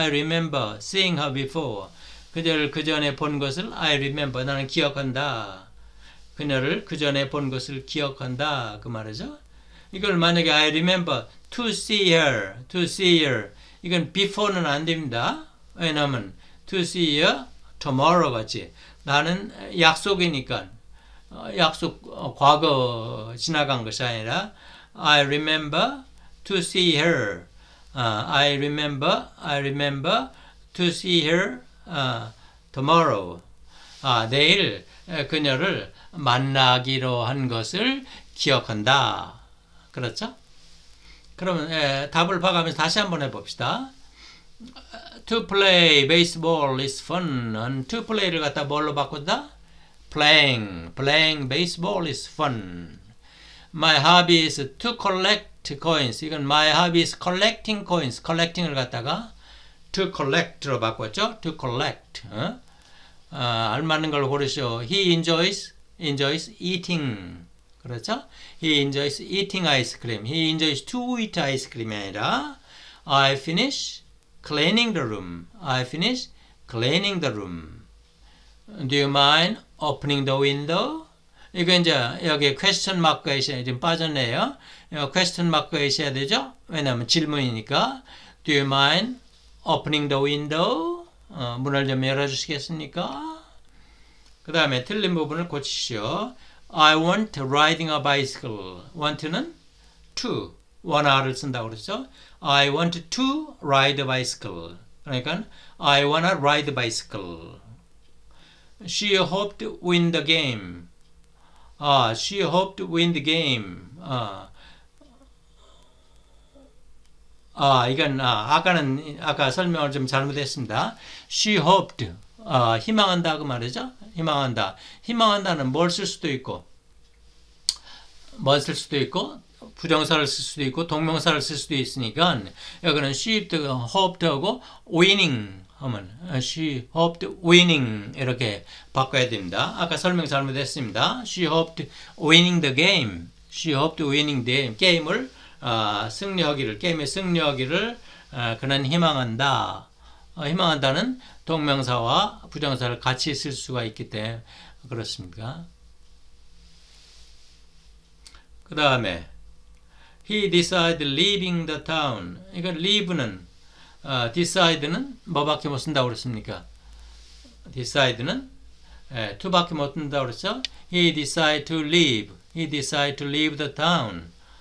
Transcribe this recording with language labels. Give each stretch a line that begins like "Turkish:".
English: I remember seeing her before.
Korean: 그녀를 그 전에 본 것을
English: I remember.
Korean: 나는 기억한다. 그녀를 그 전에 본 것을 기억한다. 그 말이죠.
English: 이걸 만약에 I remember to see her. To see her.
Korean: 이건 before는 안 됩니다. 왜냐하면
English: to see her tomorrow 같이.
Korean: 나는 약속이니까. 약속, 과거 지나간 것이 아니라
English: I remember to see her. I remember to see her tomorrow.
Korean: 내일 그녀를 만나기로 한 것을 기억한다. 그렇죠? 그러면 답을 봐가면서 다시 한번 해봅시다.
English: To play baseball is fun.
Korean: And to play를 갖다 뭘로 바꾼다?
English: Playing baseball is fun. My hobby is to collect coins. 이건 my hobby is collecting coins.
Korean: Collecting을 갖다가 to collect로 바꿨죠?
English: To collect.
Korean: 알맞은 걸 고르시오.
English: He enjoys eating. 그렇죠? He enjoys eating ice cream. He enjoys to eat ice cream이 아니라 I finish cleaning the room. I finish cleaning the room. Do you mind opening the window?
Korean: 이거 이제 여기에 question mark가 있어야 지금 빠졌네요. question mark가 있어야 되죠? 왜냐하면 질문이니까.
English: Do you mind opening the window?
Korean: 문을 좀 열어주시겠습니까? 그 다음에 틀린 부분을 고치시죠.
English: I want riding a bicycle. Want는 to.
Korean: 원화를 쓴다고 그러죠.
English: I want to ride a bicycle. 그러니까 I wanna ride a bicycle. She hoped win the game. She hoped win the game.
Korean: 아까 설명을 좀 잘못했습니다.
English: She hoped
Korean: 희망한다 그 말이죠. 희망한다. 희망한다는 뭘쓸 수도 있고 뭘쓸 수도 있고 부정사를 쓸 수도 있고 동명사를 쓸 수도 있으니까 여기는 she hoped 하고 winning 하면
English: she hoped winning
Korean: 이렇게 바꿔야 됩니다. 아까 설명 잘못했습니다.
English: She hoped winning the game. She hoped winning the game.
Korean: 게임을 승리하기를 게임의 승리하기를 그는 희망한다. 희망한다는 동명사와 부정사를 같이 쓸 수가 있기 때문에 그렇습니다. 그 다음에
English: He decided leaving the town.
Korean: 이거 leave는 decide는 뭐밖에 못 쓴다고 그랬습니까? decide는 to밖에 못 쓴다고 그랬죠?
English: He decided to leave the town.